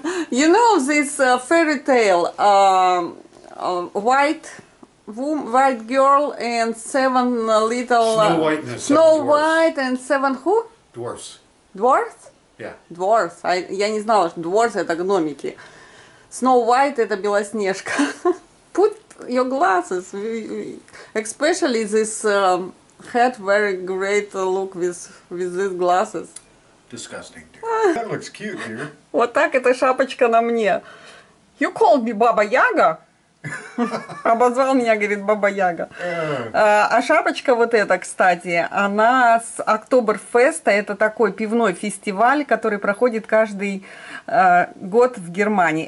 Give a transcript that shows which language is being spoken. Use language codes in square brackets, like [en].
[en] You know this fairy tale, white girl and seven little... Snow White and seven who? Dwarfs. Dwarfs? Yeah. Dwarfs. [ru] Я не знала, что dwarfs это гномики. Snow White это Белоснежка. [en] Put your glasses, especially this... had very great look with these glasses. Disgusting, dude. That looks cute, dude. [ru] Вот так эта шапочка на мне. [en] You called me Баба Яга? [ru] Обозвал меня, говорит, Баба Яга. А шапочка вот эта, кстати, она с Октоберфеста. Это такой пивной фестиваль, который проходит каждый год в Германии.